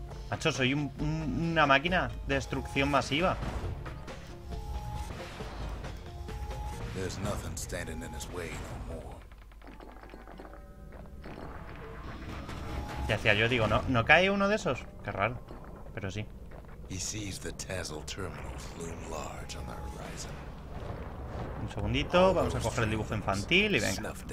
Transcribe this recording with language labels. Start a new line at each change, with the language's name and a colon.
Spanish: Macho, soy una máquina de destrucción masiva.
English: There's nothing standing in his way no more.
Spanish: Ya decía yo, digo, ¿no cae uno de esos? Qué raro, pero sí.
English: He sees the Tazzle terminals loom large on the horizon.
Spanish: Un segundito, vamos a coger el dibujo infantil y venga.